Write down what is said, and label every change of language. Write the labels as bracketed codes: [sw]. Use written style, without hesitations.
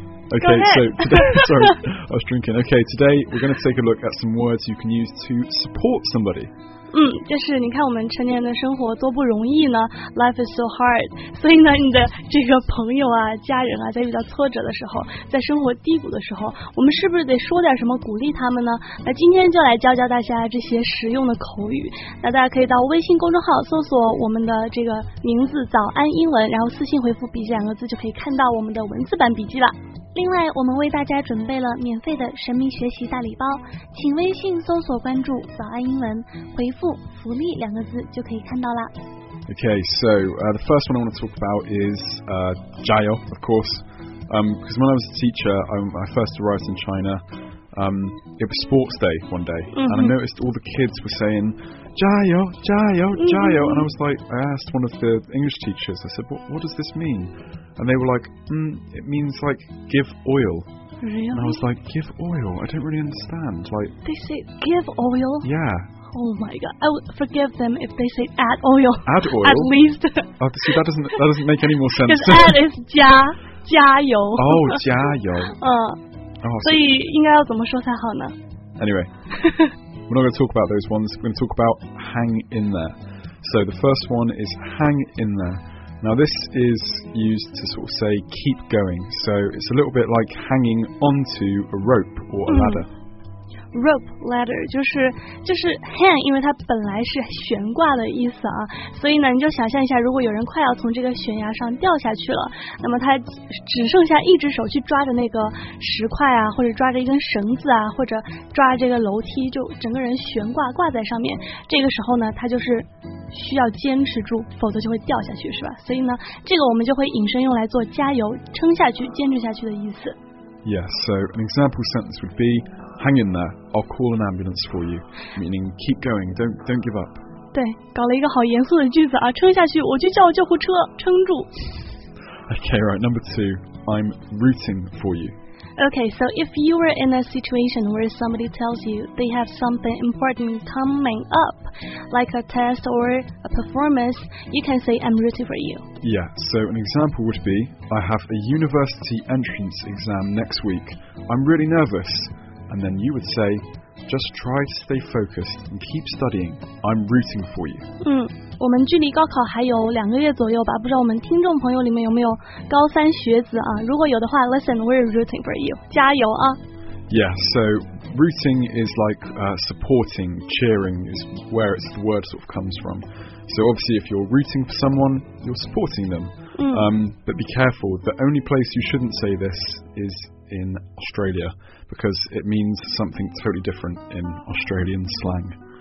[en] Okay, so today, sorry, I was drinking. Okay, today we're going to take a look at some words you can use to support somebody. [zh] 就是你看我们成年的生活多不容易呢 ， [en] Life is so hard. [zh] 所以呢，你的这个朋友啊、家人啊，在遇到挫折的时候，在生活低谷的时候，我们是不是得说点什么鼓励他们呢？那今天就来教教大家这些实用的口语。那大家可以到微信公众号搜索我们的这个名字“早安英文”，然后私信回复“笔记”两个字，就可以看到我们的文字版笔记了。另外我们为大家准备了免费的神秘学习大礼包，请微信搜索关注早安英文，回复福利两个字就可以看到了。 [en] Okay, so the first one I want to talk about is 加油 of course, because when I was a teacher, I first arrived in China, it was sports day one day, and I noticed all the kids were saying 加油加油加油 and I was like, I asked one of the English teachers, I said, what does this mean? And they were like, it means like give oil. Really? And I was like, give oil? I don't really understand. Like, they say give oil? Yeah. Oh my god. I would forgive them if they say add oil. Add oil? At least. Oh, see, that doesn't make any more sense. Because add is 加, 加油. Oh, 加油. [zh] So 应该要怎么说才好呢? [en] Anyway, we're not going to talk about those ones. We're going to talk about hang in there. So the first one is hang in there. Now this is used to sort of say keep going, so it's a little bit like hanging onto a rope or a ladder. [zh] Rope, ladder, 就是 hang, 因为它本来是悬挂的意思啊，所以呢你就想象一下，如果有人快要从这个悬崖上掉下去了，那么他只剩下一只手去抓着那个石块啊，或者抓着一根绳子啊，或者抓这个楼梯，就整个人悬挂在上面，这个时候呢他就是需要坚持住，否则就会掉下去，是吧？所以呢这个我们就会引申用来做加油，撑下去，坚持下去的意思。 [en] Yeah, so an example sentence would be, hang in there, I'll call an ambulance for you. Meaning, keep going, don't give up. [zh] 对，搞了一个好严肃的句子啊，撑下去，我就叫救护车，撑住。 [en] Okay, right, number two, I'm rooting for you. Okay, so if you were in a situation where somebody tells you they have something important coming up, like a test or a performance, you can say, I'm rooting for you. Yeah, so an example would be, I have a university entrance exam next week. I'm really nervous. And then you would say, just try to stay focused and keep studying. I'm rooting for you. [zh] 我们距离高考还有两个月左右吧，不知道我们听众朋友里面有没有高三学子啊，如果有的话 [en] listen, we're rooting for you, [zh] 加油啊。 [en] Yeah, so rooting is like supporting, cheering is where it's, the word sort of comes from. So obviously if you're rooting for someone, you're supporting them. But be careful, the only place you shouldn't say this is in Australia, because it means something totally different in Australian slang.